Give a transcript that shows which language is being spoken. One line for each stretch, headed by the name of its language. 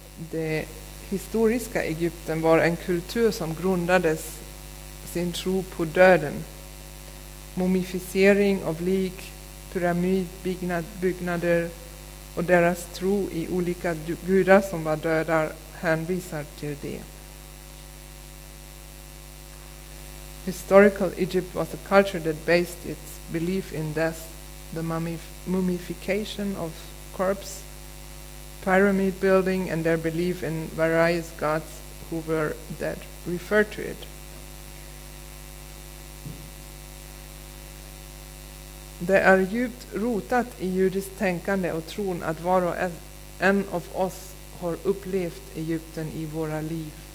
Swedish: Det historiska Egypten var en kultur som grundades sin tro på döden. Mumificering av lik, pyramidbyggnader och deras tro i olika gudar som var döda hänvisar till det.
English: Historical Egypt was a culture that based its belief in death, the mummification of corpse, pyramid building and their belief in various gods who were dead referred to it.
Swedish: Det är djupt rotat i judiskt tänkande och tron att var och en av oss har upplevt Egypten i våra liv.